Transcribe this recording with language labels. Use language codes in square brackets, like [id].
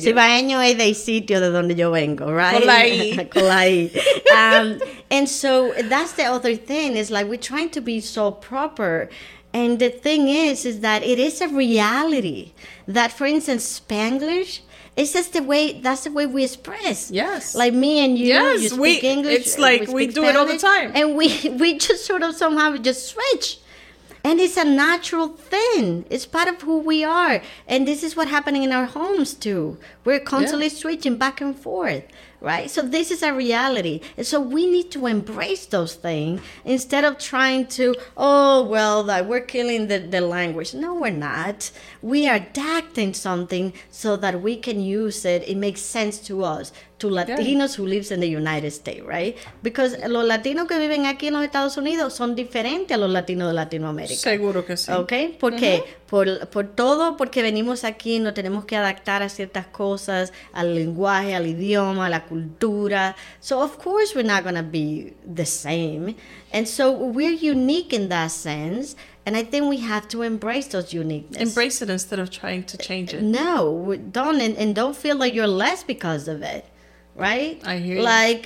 [es] Cibaeño es del sitio de donde yo vengo, [en] right? Colai. Colai. And so that's the other thing, is like we're trying to be so proper. And the thing is that it is a reality that, for instance, Spanglish It's just the way, that's the way we express. Yes. Like me and you, yes, you speak English. It's like we do Spanish, it all the time. And we just sort of somehow just switch. And it's a natural thing. It's part of who we are. And this is what's happening in our homes too. We're constantly switching back and forth, right? So this is a reality. And so we need to embrace those things instead of trying to, oh, well, that we're killing the language. No, we're not. We are adapting something so that we can use it. It makes sense to us, to Latinos who lives in the United States, right? Because [es] los Latinos que viven aquí en los Estados Unidos son diferentes a los Latinos de Latinoamérica. Seguro que sí. Okay? ¿Por qué? Por todo, porque venimos aquí, nos tenemos que adaptar a ciertas cosas, al lenguaje, al idioma, a la cultura. [en] So of course we're not going to be the same. And so we're unique in that sense. And I think we have to embrace those uniqueness. Embrace it instead of trying to change it. No, don't. And don't feel like you're less because of it. Right? I hear like,